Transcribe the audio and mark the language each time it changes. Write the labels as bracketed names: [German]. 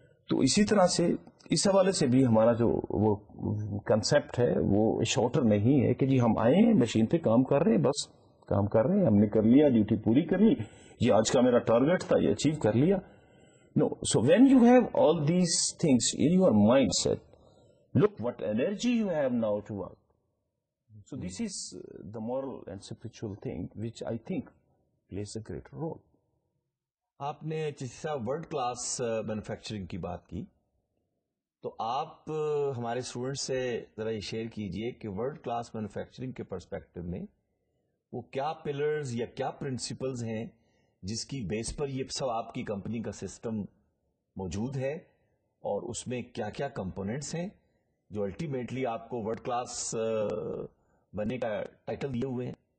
[Urdu] تو اسی طرح سے اس حوالے سے بھی ہمارا جو وہ کنسپٹ ہے وہ شارٹر نہیں ہے کہ جی ہم آئے ہیں مشین پہ کام کر رہے ہیں, بس کام کر رہے ہیں, ہم نے کر لیا ڈیوٹی پوری کر لی, یہ آج کا میرا ٹارگٹ تھا یہ اچیو کر لیا. [English] No, so when you have all these things in your mindset, look what energy you have now to work. So this is the moral and spiritual thing which I think plays a greater role. [Urdu] آپ نے چیز world class manufacturing کی بات کی, تو آپ ہمارے student سے ذرا یہ شیئر کیجئے کہ ورلڈ کلاس مینوفیکچرنگ کے پرسپیکٹو میں وہ کیا پلرز یا کیا پرنسپلز ہیں جس کی بیس پر یہ سب آپ کی کمپنی کا سسٹم موجود ہے, اور اس میں کیا کیا کمپوننٹس ہیں جو الٹیمیٹلی آپ کو ورلڈ کلاس بننے کا ٹائٹل دیے ہوئے ہیں.